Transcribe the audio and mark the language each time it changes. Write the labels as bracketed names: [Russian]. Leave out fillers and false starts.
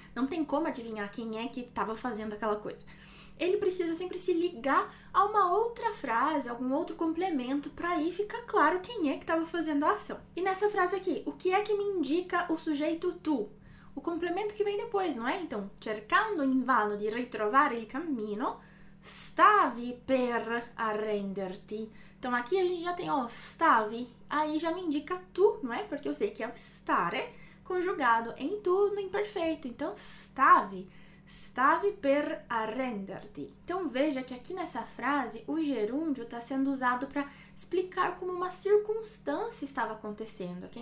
[Portuguese] Não tem como adivinhar quem é que estava fazendo aquela coisa. Ele precisa sempre se ligar a uma outra frase, algum outro complemento, para aí ficar claro quem é que estava fazendo a ação. E nessa frase aqui, o que é que me indica o sujeito tu? O complemento que vem depois, não é? [Italian] Então, cercando invano di ritrovare il cammino, stavi per arrenderti. [Portuguese] Então, aqui a gente já tem, ó, stavi, aí já me indica tu, não é? Porque eu sei que é o stare conjugado em tu no imperfeito. [Italian] Então, stavi. Stavi per arrenderti. [Portuguese] Então, veja que aqui nessa frase, o gerúndio está sendo usado para explicar como uma circunstância estava acontecendo, ok?